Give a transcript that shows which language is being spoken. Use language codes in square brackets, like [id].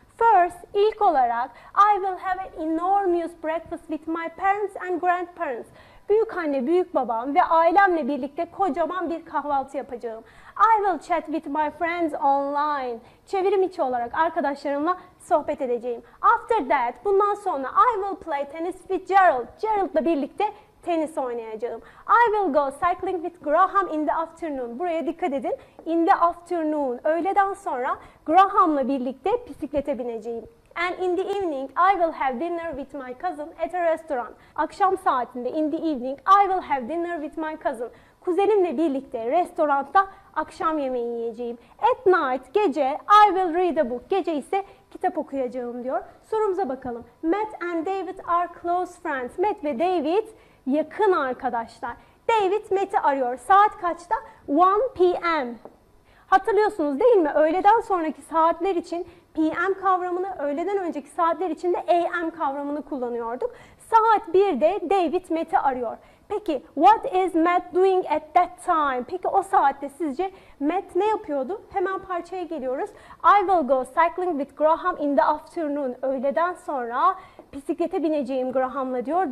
[en] First, [tr] ilk olarak, [en] I will have an enormous breakfast with my parents and grandparents. [tr] Büyük anne, büyük babam ve ailemle birlikte kocaman bir kahvaltı yapacağım. [en] I will chat with my friends online. [tr] Çevirim içi olarak arkadaşlarımla sohbet edeceğim. [en] After that, [tr] bundan sonra [en] I will play tennis with Gerald. [tr] Gerald'la birlikte tenis oynayacağım. [en] I will go cycling with Graham in the afternoon. [tr] Buraya dikkat edin. [en] In the afternoon, [tr] öğleden sonra Graham'la birlikte bisiklete bineceğim. [en] And in the evening, I will have dinner with my cousin at a restaurant. [tr] Akşam saatinde, [en] in the evening, I will have dinner with my cousin. [tr] Kuzenimle birlikte restoranda akşam yemeği yiyeceğim. [en] At night, [tr] gece, [en] I will read a book. [tr] Gece ise kitap okuyacağım diyor. Sorumuza bakalım. [en] Matt and David are close friends. [tr] Matt ve David yakın arkadaşlar. David Matt'i arıyor. Saat kaçta? 1 p.m. Hatırlıyorsunuz değil mi? Öğleden sonraki saatler için p.m. kavramını, öğleden önceki saatler için de a.m. kavramını kullanıyorduk. Saat 1'de David Matt'i arıyor. Peki, [en] what is Matt doing at that time? [tr] Peki o saatte sizce Matt ne yapıyordu? Hemen parçaya geliyoruz. [en] I will go cycling with Graham in the afternoon. [tr] Öğleden sonra bisiklete bineceğim Graham'la diyor.